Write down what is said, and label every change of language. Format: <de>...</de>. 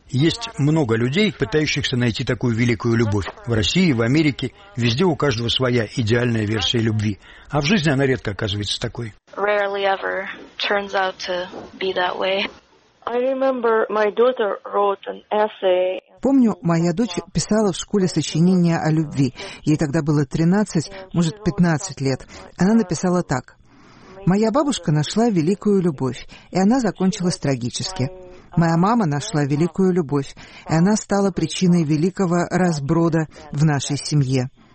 <ru>Есть много людей, пытающихся найти такую великую любовь. В России, в Америке, везде у каждого своя идеальная версия любви. А в жизни она редко оказывается такой.</ru> <en>Rarely ever turns out to be that way. I remember my daughter wrote an essay.</en> <ru>Помню, моя дочь писала в школе сочинение о любви. Ей тогда было 13, может, 15 лет. Она написала так. Моя бабушка нашла великую любовь, и она закончилась трагически. Моя мама нашла великую любовь, и она стала причиной великого разброда в нашей семье.</ru>